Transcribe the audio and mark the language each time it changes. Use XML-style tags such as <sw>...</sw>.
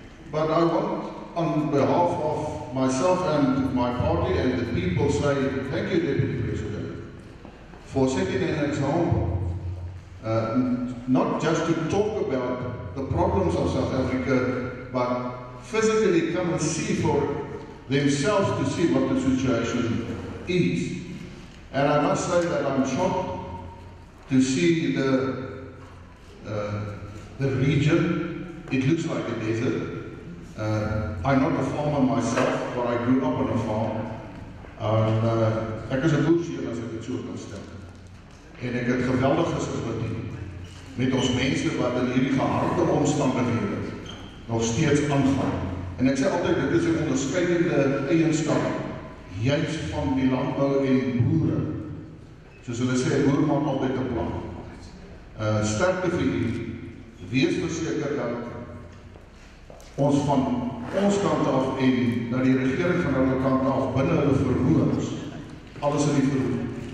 <en>But I want, on behalf of myself and my party and the people, say thank you, Deputy President, for setting an example, not just to talk about the problems of South Africa, but physically come and see for themselves to see what the situation is. And I must say that I'm shocked to see the region. It looks like a desert. I'm not a farmer myself, but I grew up on a farm.</en> <af>Ek is 'n boer, as ek het so kan stel. En ek het geweldig gesympatie met ons mense wat in hierdie geharde omstandighede nog steeds aangaan. En ek sê altyd, dit is 'n onderskeidende eienskap, juist van die landbou en boere. Soos hulle sê, boer maak altyd 'n plan. Sterkte vir u, wees verseker dat ons van ons kant af en na die regering van hulle kant af binne hulle vermoëns, alles in die vermoë.</af>